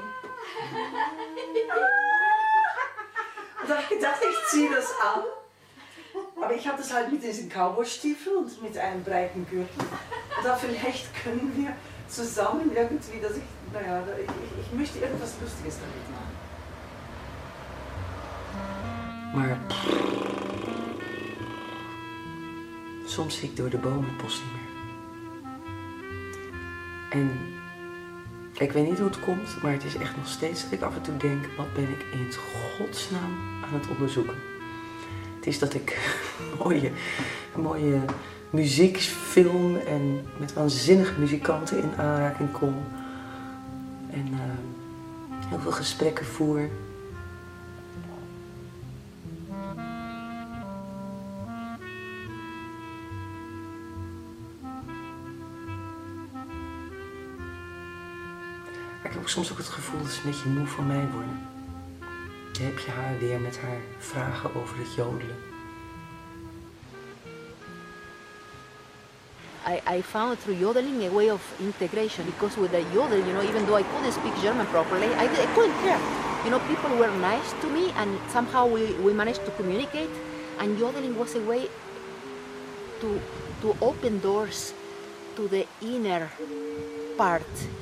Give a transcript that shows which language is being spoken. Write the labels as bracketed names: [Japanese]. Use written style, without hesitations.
[German] Und habe gedacht, ich ziehe das an. Aber ich habe das halt mit diesen Cowboy-Stiefeln und mit einem breiten Gürtel. Und da vielleicht können wir zusammen irgendwie, dass ich, naja, ich möchte irgendwas Lustiges damit machen. [Dutch] Maar soms zie ik door de bomen het bos niet meer. En ik weet niet hoe het komt, maar het is echt nog steeds dat ik af en toe denk, wat ben ik in het godsnaam aan het onderzoeken? Het is dat ik mooie muziek film en met waanzinnige muzikanten in aanraking kom. En heel veel gesprekken voer. Soms ook het gevoel dat ze een beetje moe van mij worden. Dan heb je haar weer met haar vragen over het jodelen. [English] I found through jodeling a way of integration, because with the jodel, you know, even though I couldn't speak German properly, I couldn't care. You know, people were nice to me and somehow we managed to communicate, and jodeling was a way to open doors to the inner part.